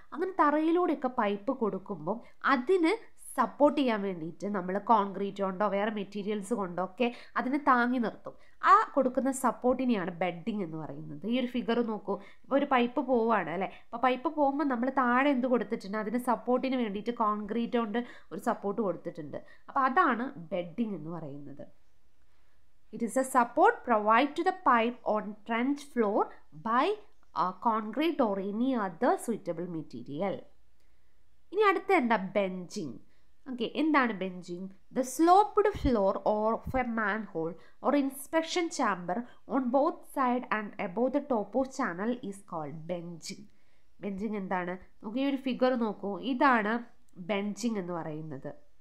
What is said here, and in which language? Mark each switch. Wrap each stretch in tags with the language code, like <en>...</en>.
<ml>അങ്ങനെ തറയിലൂടെയൊക്കെ പൈപ്പ് കൊടുക്കുമ്പം അതിന് സപ്പോർട്ട് ചെയ്യാൻ വേണ്ടിയിട്ട് നമ്മൾ കോൺക്രീറ്റ് കൊണ്ടോ വേറെ മെറ്റീരിയൽസ് കൊണ്ടോ ഒക്കെ അതിനെ താങ്ങി നിർത്തും. ആ കൊടുക്കുന്ന സപ്പോർട്ടിനെയാണ് ബെഡിങ് എന്ന് പറയുന്നത്. ഈ ഒരു ഫിഗർ നോക്കൂ. ഇപ്പോൾ ഒരു പൈപ്പ് പോവുകയാണ് അല്ലേ. അപ്പോൾ പൈപ്പ് പോകുമ്പോൾ നമ്മൾ താഴെ എന്ത് കൊടുത്തിട്ടുണ്ട്? അതിന് സപ്പോർട്ടിന് വേണ്ടിയിട്ട് കോൺക്രീറ്റ് കൊണ്ട് ഒരു സപ്പോർട്ട് കൊടുത്തിട്ടുണ്ട്. അപ്പോൾ അതാണ് ബെഡിങ് എന്ന് പറയുന്നത്.</ml> <en>It is a support provided to the pipe on trench floor by concrete or any other suitable material.</en> <ml>ഇനി അടുത്ത എന്താ? ബെഞ്ചിങ്. ഓക്കെ, എന്താണ് benching?</ml> <en>The sloped floor or of a man hole or inspection chamber on both side and above the top of channel is called benching.</en> <ml>Benching എന്താണ്? നമുക്ക് ഈ ഒരു figure നോക്കൂ. ഇതാണ് ബെഞ്ചിങ് എന്ന് പറയുന്നത്.</ml>